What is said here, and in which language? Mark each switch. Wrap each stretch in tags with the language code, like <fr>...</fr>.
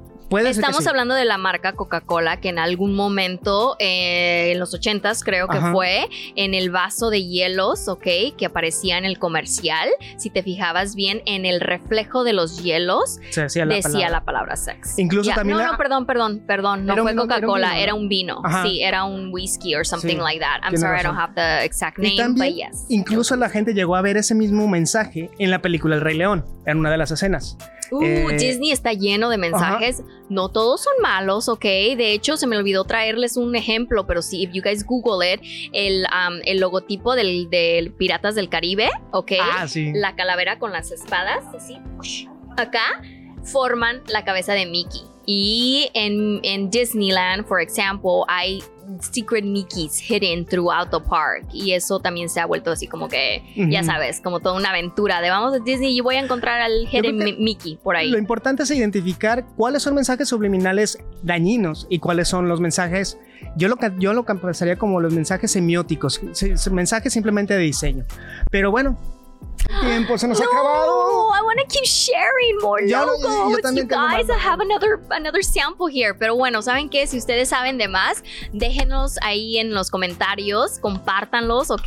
<es>Estamos hablando de la marca Coca-Cola, que en algún momento, en los 80s creo que fue, en el vaso de hielos, ¿ok? Que aparecía en el comercial. Si te fijabas bien, en el reflejo de los hielos, se decía, la palabra</es> <en>sex.</en> <es>Incluso también... No, perdón. No fue Coca-Cola, era un vino. Sí, era un whisky</es> <en>or something like that. I'm sorry, I don't have the exact name, but yes.</en> <es>Incluso la gente llegó a ver ese mismo mensaje en la película El Rey León, en una de las escenas. Disney está lleno de mensajes. No todos son malos, ¿ok? De hecho, se me olvidó traerles un ejemplo, pero sí,</es> <en>if you guys Google it,</en> <es>el logotipo del Piratas del Caribe, ¿ok? Ah, sí. La calavera con las espadas, así, acá, forman la cabeza de Mickey. Y en Disneyland, for example, hay secret Mickeys hidden throughout the park. Y eso también se ha vuelto así como que, ya sabes, como toda una aventura de vamos a Disney y voy a encontrar al</es> <en>hidden Mickey</en> <es>por ahí. Lo importante es identificar cuáles son mensajes subliminales dañinos y cuáles son los mensajes, yo lo pensaría como los mensajes semióticos, mensajes simplemente de diseño. Pero bueno, tiempo se nos ha acabado.</es> <en>I want to keep sharing more logos. You guys, I have another sample here.</en> <es>Pero bueno, ¿saben qué? Si ustedes saben de más, déjenos ahí en los comentarios, compártanlos, ¿ok?</es>